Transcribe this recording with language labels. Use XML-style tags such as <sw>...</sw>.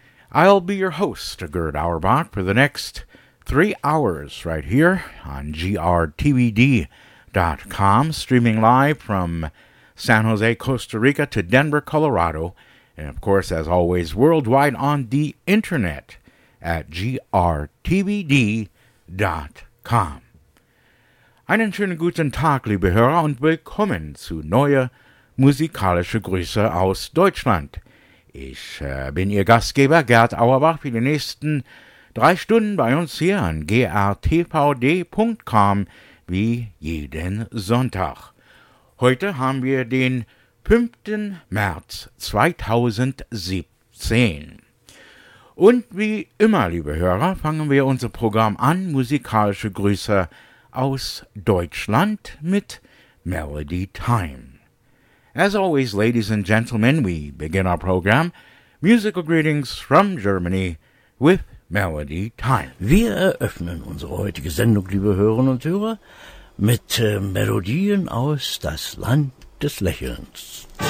<en>I'll be your host, Gerd Auerbach, for the next 3 hours right here on GRTVD.com, streaming live from San Jose, Costa Rica to Denver, Colorado, and of course, as always, worldwide on the internet at GRTVD.com.</en> <de>Einen schönen guten Tag, liebe Hörer, und willkommen zu neue musikalische Grüße aus Deutschland. Ich bin Ihr Gastgeber, Gerd Auerbach, für die nächsten 3 Stunden bei uns hier an grtvd.com, wie jeden Sonntag. Heute haben wir den 5. März 2017. Und wie immer, liebe Hörer, fangen wir unser Programm an, musikalische Grüße aus Deutschland mit Melody Time.</de> <en>As always, ladies and gentlemen, we begin our program, Musical Greetings from Germany, with Melody Time.</en> <de>Wir eröffnen unsere heutige Sendung, liebe Hörerinnen und Hörer, mit Melodien aus das Land des Lächelns.</de>